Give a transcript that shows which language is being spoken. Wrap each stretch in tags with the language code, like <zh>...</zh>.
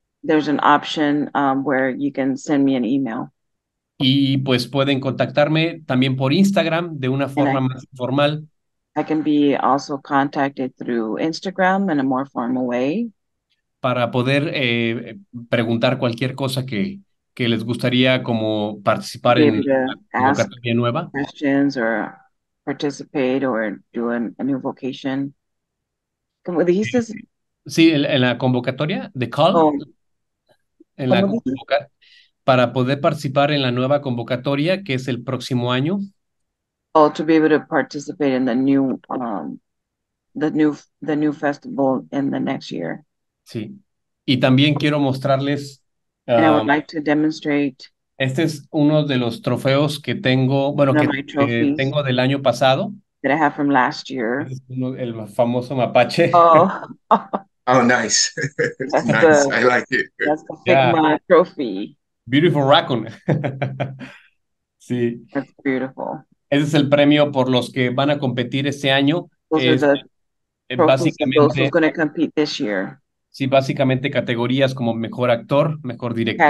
<en>There's an option where you can send me an email.</en> <es>Y pues pueden contactarme también por Instagram de una forma más formal.</es> <en>I can be also contacted through Instagram in a more formal way.</en> <es>Para poder preguntar cualquier cosa que les gustaría como participar en la convocatoria nueva.</es> <en>Questions or participate or do a new vocation.</en> <es>¿Cómo dijiste? Sí, en la convocatoria,</es> <en>the call.</en> <es>Oh. En la para poder participar en la nueva convocatoria que es el próximo año.</es> <en>Oh, to be able to participate in the new festival in the next year.</en> <es>Sí. Y también quiero mostrarles.</es> <en>And I would like to demonstrate.</en> <es>Este es uno de los trofeos que tengo, bueno, que tengo del año pasado.</es> <en>That I have from last year.</en> <es>Este es uno, el famoso mapache. Oh.</es> <en>Oh, nice. That's nice. I like it. That's the FICCMA trophy. Beautiful raccoon. Sí. That's beautiful.</en> <es>Ese es el premio por los que van a competir este año.</es> <en>Básicamente, those who's going to compete this year.</en> <es>Sí, básicamente categorías como mejor actor, mejor director.</es>